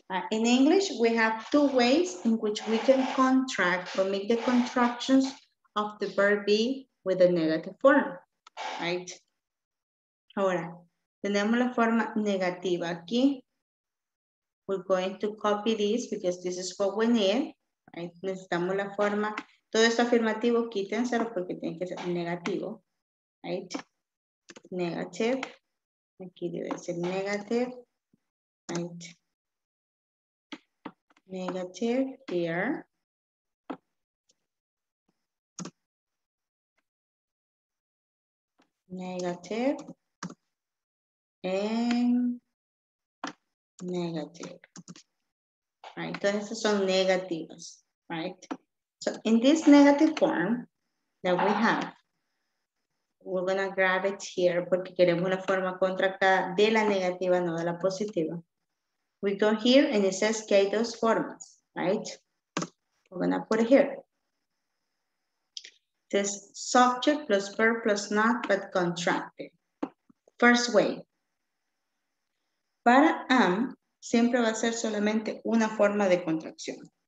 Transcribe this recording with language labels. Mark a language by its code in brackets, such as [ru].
[en] In English, we have two ways in which we can contract or make the contractions of the verb be with a negative form, right? [es] Ahora, tenemos la forma negativa aquí. [en] We're going to copy this because this is what we need, right? [es] Necesitamos la forma, todo esto afirmativo, quítenselo porque tiene que ser negativo, right? Negative, aquí debe ser negative. Right. [en] Negative here. Negative. And negative. Right. [es] Todas estas son negativas. Right. [en] So in this negative form that we have, we're going to grab it here [es] porque queremos una forma contractada de la negativa, no de la positiva. [en] We go here and it says [es] que hay dos formas, [en] right? We're gonna put it here. This subject plus verb plus not but contracted. First way. [es] Para am siempre va a ser solamente una forma de contracción.